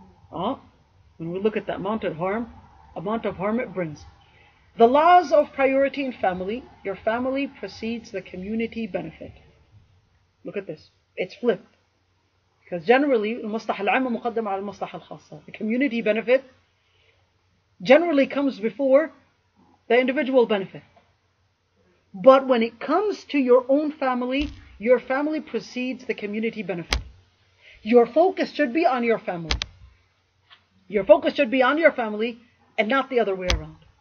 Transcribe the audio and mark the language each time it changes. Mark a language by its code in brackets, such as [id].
[en] When we look at the amount of harm it brings. The laws of priority in family, your family precedes the community benefit. Look at this. It's flipped. Because generally, [ar] المصلحة العامة مقدمة على المصلحة الخاصة. [en] The community benefit generally comes before the individual benefit. But when it comes to your own family, your family precedes the community benefit. Your focus should be on your family. Your focus should be on your family and not the other way around.